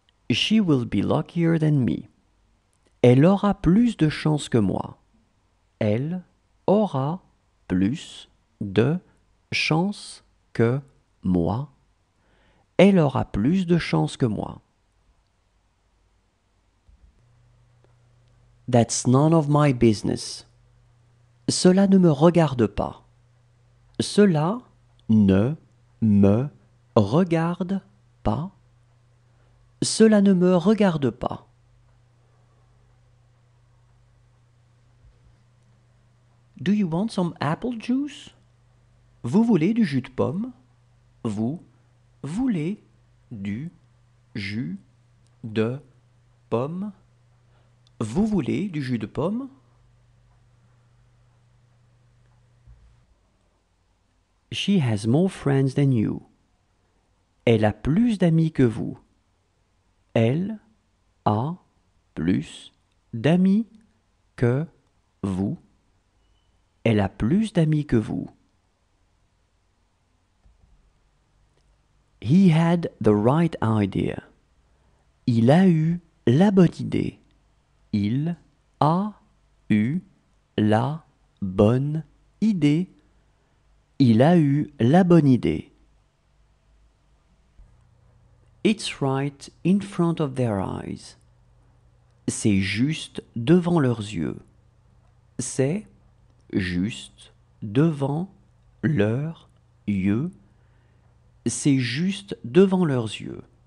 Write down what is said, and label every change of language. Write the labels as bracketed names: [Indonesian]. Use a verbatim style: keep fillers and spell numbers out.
[English] She will be luckier than me. [French] Elle aura plus de chance que moi. Elle aura plus de chance que moi. Elle aura plus de chance que moi. [English] That's none of my business. [French] Cela ne me regarde pas. Cela ne me regarde pas. Cela ne me regarde pas. [English] Do you want some apple juice? [French] Vous voulez du jus de pomme? Vous voulez du jus de pomme? Vous voulez du jus de pomme? [English] She has more friends than you. [French] Elle a plus d'amis que vous. Elle a plus d'amis que vous. Elle a plus d'amis que vous. [English] He had the right idea. [French] Il a eu la bonne idée. Il a eu la bonne idée. Il a eu la bonne idée. [English] It's right in front of their eyes. [French] C'est juste devant leurs yeux. C'est juste devant leurs yeux. C'est juste devant leurs yeux.